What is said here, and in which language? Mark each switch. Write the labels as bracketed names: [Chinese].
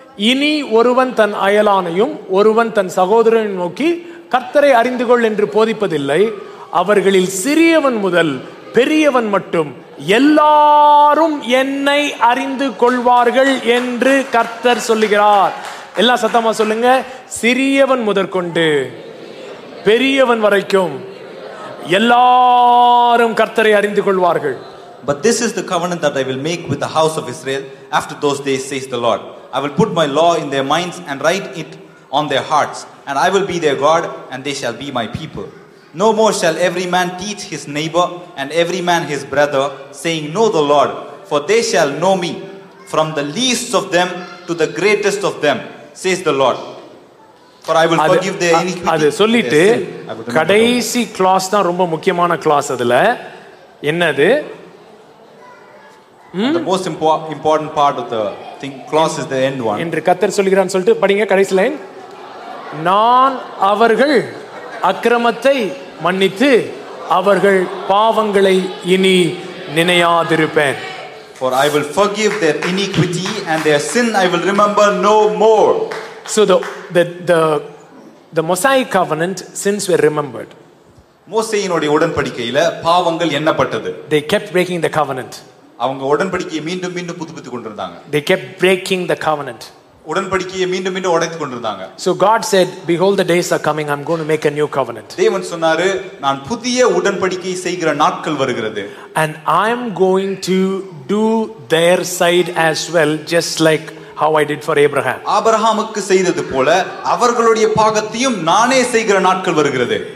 [Tamil] இனி ஒருவன் தன் அயலானையும் ஒருவன் தன் சகோதரனையும் நோக்கி கர்த்தரை அறிந்து கொள் என்று போதிப்பதில்லை, அவர்களில் சிறியவன் முதல் பெரியவன் மட்டும் எல்லாரும் என்னை அறிந்து கொள்வார்கள் என்று கர்த்தர் சொல்லுகிறார். எல்லாம் சத்தமா சொல்லுங்க, சிறியவன் முதற்கொண்டு பெரியவன் வரைக்கும் எல்லாரும் கர்த்தரை அறிந்து கொள்வார்கள். [English] But this is the covenant that I will make with the house of Israel after those days, says the Lord. I will put my law in their minds and write it on their hearts, and I will be their God, and they shall be my people. No more shall every man teach his neighbor and every man his brother, saying, Know the Lord, for they shall know me, from the least of them to the greatest of them, says the Lord. For I will forgive their iniquity. [Tamil] அது சொல்லிட்டு கடைசி class தான் ரொம்ப முக்கியமான class. அதுல என்னது? [English] The most important part of the thing clause is the end one. [Tamil] என்று கர்த்தர் சொல்கிறான் சொல்லிட்டு படிங்க கடைசி லைன். நான் அவர்கள் அக்கிரமத்தை மன்னித்து அவர்கள் பாவங்களை இனி நினையாதிருப்பேன். [English] For I will forgive their iniquity and their sin I will remember no more. So the Mosaic covenant sins were remembered. [Tamil] மோசேயினுடைய உடன்படிக்கையில பாவங்கள் எண்ணப்பட்டது. [English] They kept breaking the covenant. [Tamil] அவங்க உடன்படிக்கையை மீண்டும் மீண்டும் புதுப்பித்துக் கொண்டிருந்தாங்க. [English] They kept breaking the covenant. [Tamil] உடன்படிக்கையை மீண்டும் மீண்டும் உடைத்துக் கொண்டிருந்தாங்க. [English] So God said, Behold the days are coming, I'm going to make a new covenant. [Tamil] தேவன் சொன்னாரு, நான் புதிய உடன்படிக்கையை செய்கிற நாட்கள் வருகிறது. [English] And I'm going to do their side as well, just like how I did for Abraham. [Tamil] ஆபிரகாமுக்கு செய்தது போல அவர்களுடைய பாகத்தையும் நானே செய்கிற நாட்கள் வருகிறது.